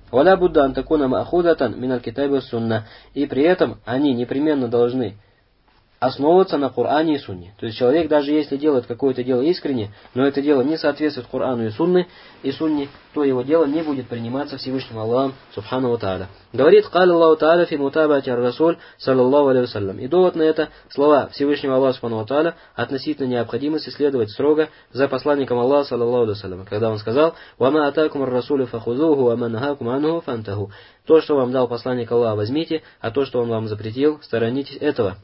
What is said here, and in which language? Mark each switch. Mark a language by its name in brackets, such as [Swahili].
[Arabic] Валя будда антакуна маахудатан миналь китаби ва сунна. [Russian] И при этом они непременно должны основываться на Коране и Сунне. То есть человек, даже если делает какое-то дело искренне, но это дело не соответствует Корану и Сунне, то его дело не будет приниматься Всевышним Аллахом, Субхану ва Тааля. Говорит, [Arabic] قال الله تعالى في متابعة الرسول صلى الله عليه وسلم. [Russian] И довод на это слова Всевышнего Аллаха Субхану ва Тааля относительно необходимости следовать строго за посланником Аллаха [Arabic] صلى الله عليه وسلم. [Russian] Когда он сказал, [Arabic] وما أتاكم الرسول فخذوه وما نهاكم عنه فانتهوا. [Russian] То, что вам дал посланник Аллаха, возьмите, а то, что он вам запретил, сторонитесь этого.